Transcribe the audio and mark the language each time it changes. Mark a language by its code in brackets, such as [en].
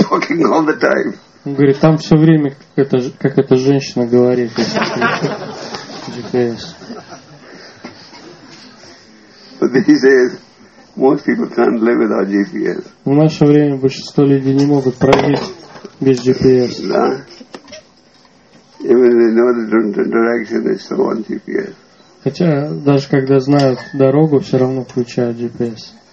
[ru] Он говорит, там все время как эта женщина говорит. [en] GPS. But these days, most people can't live without GPS. [ru] В наше время большинство людей не могут прожить без GPS. Да. [en] Even they know the direction, they still want GPS. [ru] Хотя даже когда знают дорогу, все равно включают GPS.